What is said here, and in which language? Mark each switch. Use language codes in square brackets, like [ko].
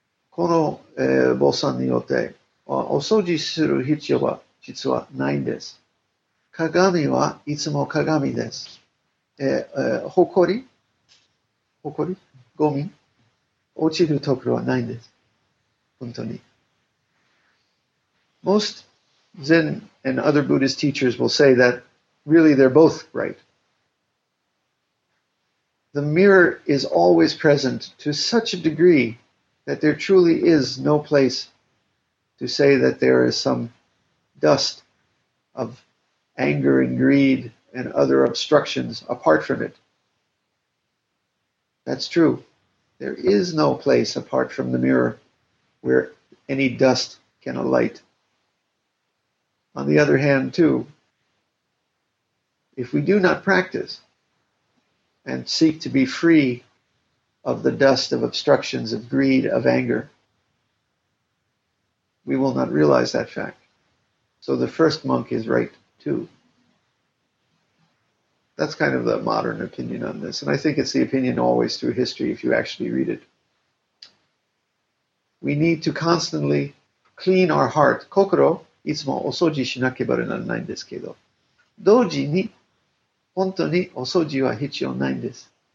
[ja] この坊さんによって、お掃除する必要は実はないんです。鏡はいつも鏡です。ほこり、ゴミ、落ちるところはないんです。本当に。 [en] Most Zen and other Buddhist teachers will say that really they're both right. The mirror is always present to such a degree that there truly is no place to say that there is some dust of anger and greed and other obstructions apart from it. That's true. There is no place apart from the mirror where any dust can alight. On the other hand, too, if we do not practice,and seek to be free of the dust of obstructions, of greed, of anger, we will not realize that fact. So the first monk is right too. That's kind of the modern opinion on this, and I think it's the opinion always through history if you actually read it. We need to constantly clean our heart. [ja] Kokoro, いつもお掃除しなければならないんですけど、同時に本当にお掃除は必要ないんです。